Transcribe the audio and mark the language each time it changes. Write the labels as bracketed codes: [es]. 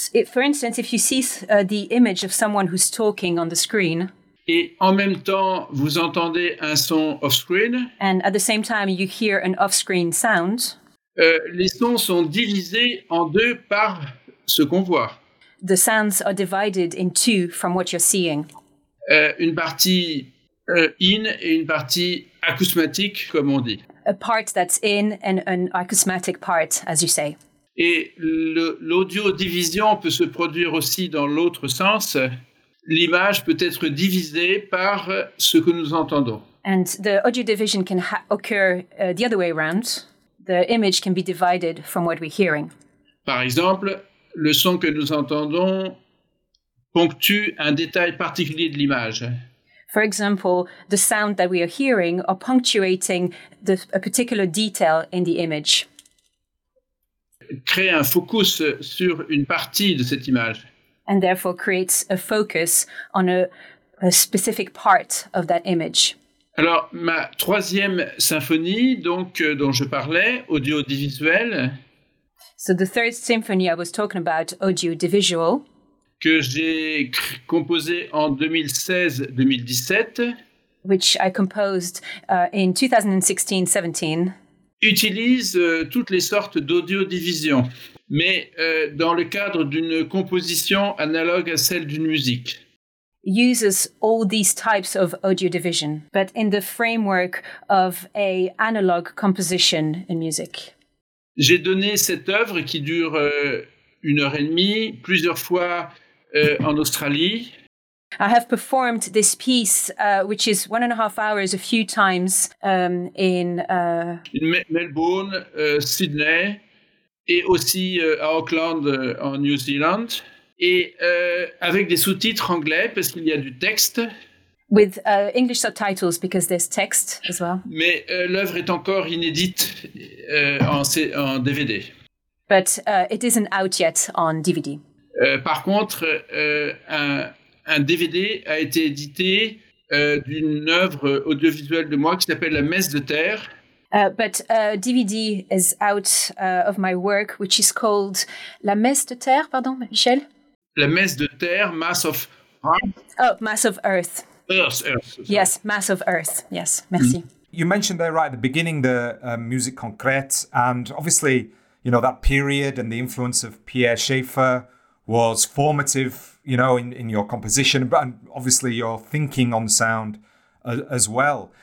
[en] For instance, if you see the image of someone who's talking on the screen. [fr] Et en même temps, vous entendez un son off-screen. [en] And at the same time, you hear an off-screen sound. [fr] Les sons sont divisés en deux par ce qu'on voit. [en] The sounds are divided in two from what you're seeing. [fr] Une partie in et une partie acousmatique, comme on dit. [en] A part that's in and an acousmatic part, as you say. [fr] Et l'audio division peut se produire aussi dans l'autre sens. L'image peut être divisée par ce que nous entendons. [en] And the audio division can occur the other way around. The image can be divided from what we're hearing. [fr] Par exemple, le son que nous entendons ponctue un détail particulier de l'image. [en] For example, the sound that we are hearing are punctuating a particular detail in the image. [fr] Crée un focus sur une partie de cette image. [en] And therefore creates a focus on a specific part of that image. [fr] Alors, ma troisième symphonie, donc, dont je parlais, audiovisuel. [en] So the third symphony I was talking about, audiovisual. [fr] Que j'ai composé en 2016-2017. [en] Which I composed in 2016-17. [fr] Utilise toutes les sortes d'audiodivision, mais dans le cadre d'une composition analogue à celle d'une musique. [en] Uses all these types of audio division, but in the framework of a analog composition in music. [fr] J'ai donné cette œuvre qui dure une heure et demie plusieurs fois en Australie. [en] I have performed this piece, which is 1.5 hours, a few times in [fr] Melbourne, Sydney, et aussi à Auckland en New Zealand. Et avec des sous-titres anglais parce qu'il y a du texte. [en] With English subtitles because there's text as well. [fr] Mais l'œuvre est encore inédite en DVD. [en] But it isn't out yet on DVD. [fr] Par contre, un DVD a été édité d'une œuvre audiovisuelle de moi qui s'appelle La Messe de Terre. [en] But a DVD is out of my work, which is called La Messe de Terre, pardon, Michel. La Messe de Terre, Mass of Earth. Oh, Mass of Earth. Earth. Sorry. Yes, Mass of Earth. Yes, merci. You mentioned there right at the beginning the musique concrète, and obviously, you know, that period and the influence of Pierre Schaeffer was formative, you know, in your composition, and obviously your thinking on sound as well.